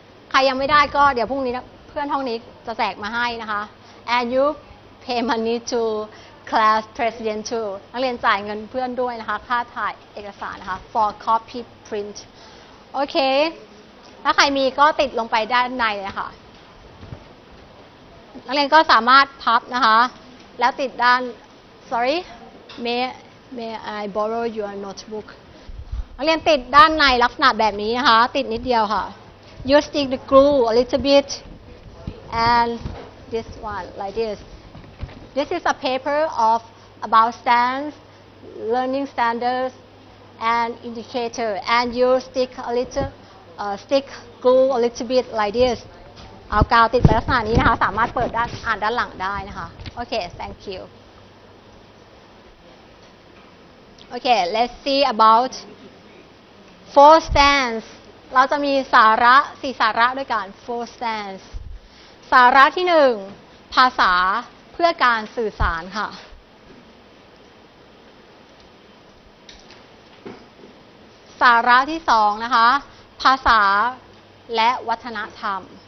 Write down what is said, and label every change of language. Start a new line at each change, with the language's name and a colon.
Thai: ใครยังไม่ได้ก็เดี๋ยวพรุ่งนี้นะเพื่อนห้องนี้จะแจกมาให้นะคะ
English: and you pay money to class president too
Thai: นักเรียนจ่ายเงินเพื่อนด้วยนะคะค่าถ่ายเอกสารนะคะ
English: for copy print
Thai: โอเคถ้าใครมีก็ติดลงไปด้านในเลยค่ะนักเรียนก็สามารถพับนะคะแล้วติดด้าน
English: sorry May I borrow your notebook?
Thai: นักเรียนติดด้านในลักษณะแบบนี้นะคะติดนิดเดียวค่ะ
English: You stick the glue a little bit and this one like this. This is a paper of about stands, learning standards and indicator. And you stick a little stick glue a little bit like this.
Thai: เอากาวติดไปลักษณะนี้นะคะสามารถเปิดด้านอ่านด้านหลังได้นะคะ
English: Okay, thank you. Okay, let's see about four stands.
Thai: เราจะมีสาระสี่สาระด้วยกัน
English: four stands.
Thai: สาระที่หนึ่งภาษาเพื่อการสื่อสารค่ะ สาระที่สองนะคะภาษาและวัฒนธรรม